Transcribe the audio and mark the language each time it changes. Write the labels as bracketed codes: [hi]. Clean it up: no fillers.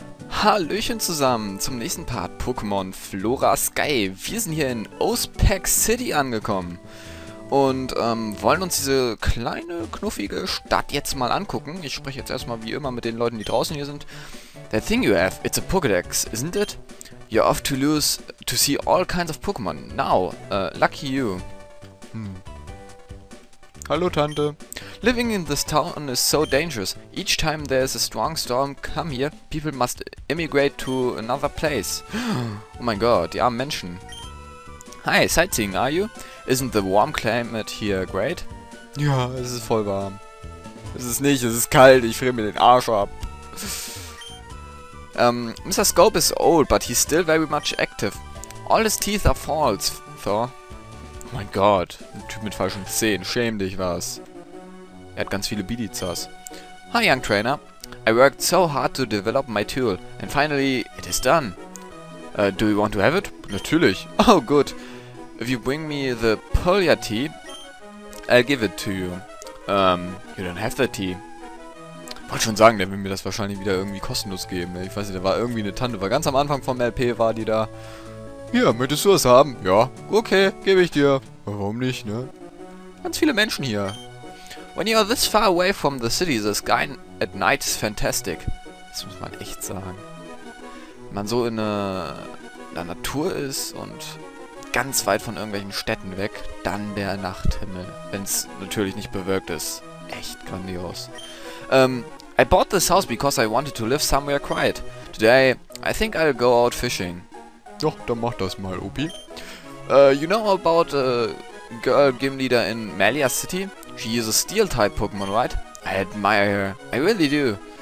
[de] Hallöchen zusammen zum nächsten Part Pokémon Flora Sky. Wir sind hier in Ospec City angekommen und wollen uns diese kleine, knuffige Stadt jetzt mal angucken. Ich spreche jetzt erstmal wie immer mit den Leuten, die draußen hier sind. [en] The thing you have, it's a Pokédex, isn't it? You're off to lose to see all kinds of Pokémon. Now, lucky you. [de] Hallo Tante. [en] Living in this town is so dangerous. Each time there is a strong storm come here, people must immigrate to another place. [de] Oh mein Gott, die armen Menschen. [en] Hi, sightseeing, are you? Isn't the warm climate here great? [de] Ja, es ist voll warm. Es ist nicht, es ist kalt, ich friere mir den Arsch ab. [en] Mr. Scope is old, but he's still very much active. All his teeth are false, Thor. [de] Oh mein Gott, ein Typ mit falschen Zähnen, schäm dich was. Er hat ganz viele Bidizas. [en] Hi, young trainer. I worked so hard to develop my tool. And finally, it is done. Do you want to have it? [de] Natürlich. [en] Oh, good. If you bring me the Polia tea, I'll give it to you. You don't have the tea. [de] Wollte schon sagen, der will mir das wahrscheinlich wieder irgendwie kostenlos geben. Ich weiß nicht, da war irgendwie eine Tante, war ganz am Anfang vom LP, war die da. Hier, möchtest du es haben? Ja. Okay, gebe ich dir. Warum nicht, ne? Ganz viele Menschen hier. [en] When you are this far away from the city, the sky at night is fantastic. [de] Das muss man echt sagen. Wenn man so in der Natur ist und ganz weit von irgendwelchen Städten weg, dann der Nachthimmel. Wenn es natürlich nicht bewölkt ist. Echt grandios. [en] I bought this house because I wanted to live somewhere quiet. Today, I think I'll go out fishing. [de] Doch, dann mach das mal, Opi. [en] You know about a girl gym leader in Malia City? She is a Steel-type Pokémon, right? I admire her. I really do.